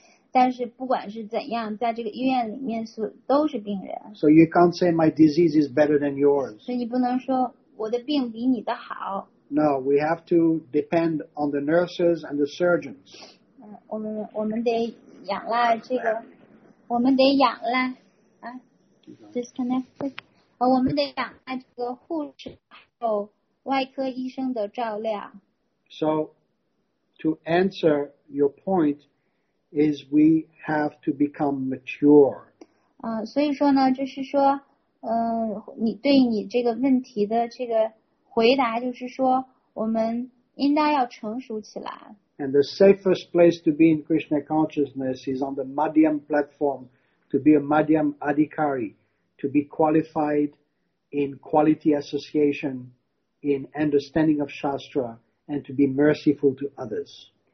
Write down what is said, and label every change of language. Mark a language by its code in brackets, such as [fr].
[zh] 但是不管是怎样在这个医院里面都是病人。 [en] So you can't say my disease is better than yours. [zh] 所以你不能说我的病比你的好。 [en] No, we have to depend on the nurses and the surgeons. [zh] 我们得仰赖这个我们得仰赖disconnected. 我们得仰赖这个护士外科医生的照料。 [en] So, to answer your point, is we have to become mature. [zh] 所以说呢，就是说，你对你这个问题的这个回答，就是说，我们应当要成熟起来。 [en] And the safest place to be in Krishna consciousness is on the Madhyam platform, to be a Madhyam Adhikari, to be qualified in quality association. In understanding of Shastra and to be merciful to others.